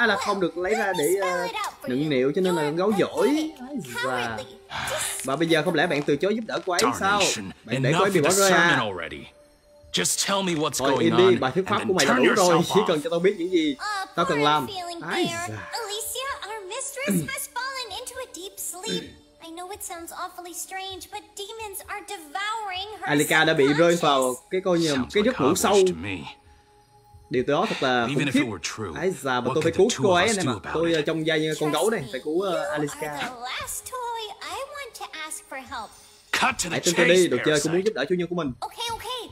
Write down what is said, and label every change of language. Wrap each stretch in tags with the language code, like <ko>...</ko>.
<vi>À là không được lấy ra để nựng nịu cho nên là con gấu giỏi. Nói già. Và bây giờ không lẽ bạn từ chối giúp đỡ cô ấy sao? Bạn để cô ấy bị bỏ rơi à?</vi> <en>Just tell me what's going on.</en> <vi>Thôi im đi, bài thuyết pháp của mày đã đủ rồi. Chỉ cần cho tao biết những gì tao cần làm. Ai da.</vi> <en>Alicia, our mistress, has fallen into a deep sleep. I know it sounds awfully strange, but demons are devouring her.</en> <vi>Alicia đã bị rơi vào cái coi như cái giấc ngủ sâu. Điều đó thật là khủng khiếp. Ai da, và tôi phải cứu cô ấy này mà. Tôi trông dai như con gấu này, phải cứu Alicia.</vi> <en>Last toy I want to ask for help. Cut to the chase.</en> <vi>Hãy tin tôi đi, đồ chơi cũng muốn giúp đỡ chủ nhân của mình.</vi> <en>Okay, okay.</en>